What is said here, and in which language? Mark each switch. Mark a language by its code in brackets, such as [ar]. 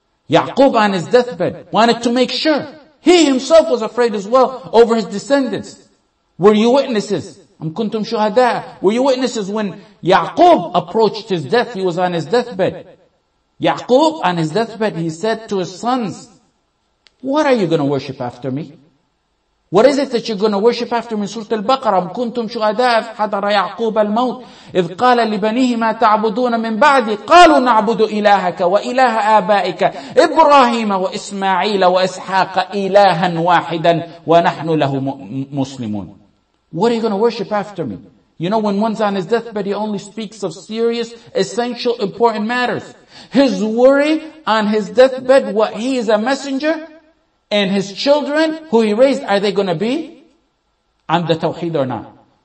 [en] Yaqub on his deathbed wanted to make sure. He himself was afraid as well over his descendants. Were you witnesses? [ar] أم كنتم شهداء؟ [en] Were you witnesses when Yaqub approached his death? He was on his deathbed. Yaqub, on his deathbed, he said to his sons, what are you going to worship after me? What is it that you're going to worship after me? [ar] Surah Al-Baqarah, أم كنتم شهداء إذ حضر يعقوب الموت إذ قال لبنيه ما تعبدون من بعدي قالوا نعبد إلهك وإله آبائك إبراهيم وإسماعيل وإسحاق إلها واحدا ونحن له مسلمون. [en] What are you going to worship after me? You know, when one's on his deathbed, he only speaks of serious, essential, important matters. His worry on his deathbed, what he is a messenger, and his children, who he raised, are they going to be on the tawheed or not?